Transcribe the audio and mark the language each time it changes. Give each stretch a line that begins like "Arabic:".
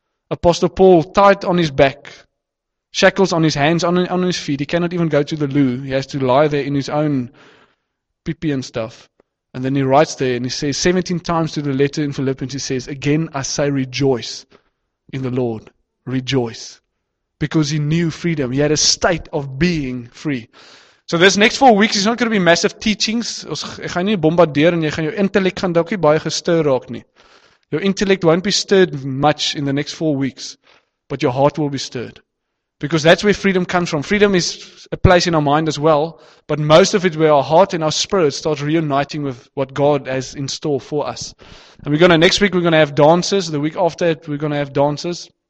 English: Apostle Paul, tied on his back, shackles on his hands, on his feet, he cannot even go to the loo, he has to lie there in his own pipi and stuff. And then he writes there and he says 17 times to the letter in Philippians, he says, again I say rejoice in the Lord, rejoice. Because he knew freedom. He had a state of being free. So this next 4 weeks is not going to be massive teachings.
Afrikaans: Ek gaan nie bombardeer en jy gaan jou intellect gaan dalk nie baie gestir raak nie.
English: Your intellect won't be stirred much in the next 4 weeks, but your heart will be stirred. Because that's where freedom comes from. Freedom is a place in our mind as well, but most of it where our heart and our spirit start reuniting with what God has in store for us. And next week we're going to have dances. The week after that, we're going to have dances.